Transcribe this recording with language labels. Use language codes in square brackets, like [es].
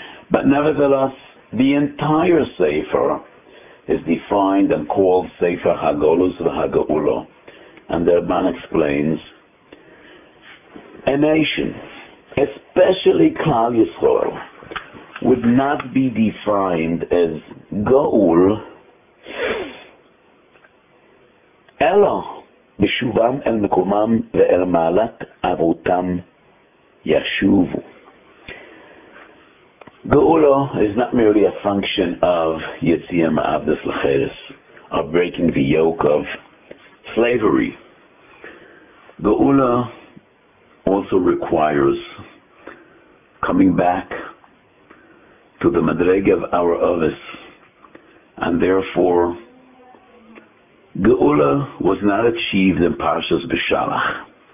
[en] But nevertheless, the entire Sefer is defined and called Sefer HaGolus VaHaGeulo. And the Rabban explains, a nation, especially Klal Yisrael, would not be defined as Geul [he] אלא בשובם אל מקומם ואל מעלת אבותם ישובו. [en] Geula is not merely a function of Yetziyah Ma'avdus L'Cheres, of breaking the yoke of slavery. Geula also requires coming back to the Madrega of our Avos, and therefore Geula was not achieved in Parshas B'Shalach.